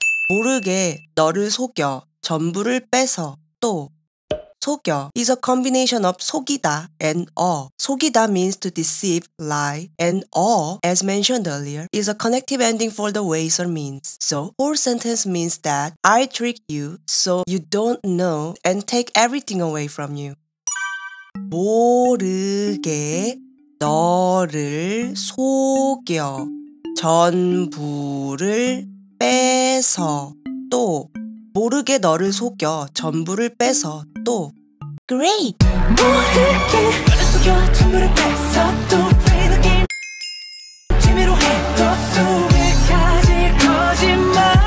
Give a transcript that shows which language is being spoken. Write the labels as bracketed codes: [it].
[ko] 모르게 너를 속여, 전부를 빼서, 또. [en] 속여 is a combination of 속이다 and awe. 속이다 means to deceive, lie, and awe, as mentioned earlier, is a connective ending for the ways or means. So, whole sentence means that I trick you so you don't know and take everything away from you. [ko] 모르게 너를 속여 전부를 빼서 또 모르게 너를 속여 전부를 빼서 또 [en] Great! [ko] 모르게 너를 속여 전부를 뺏어 또 [en] play the game [ko] 재미로 해도 수백가지 거짓말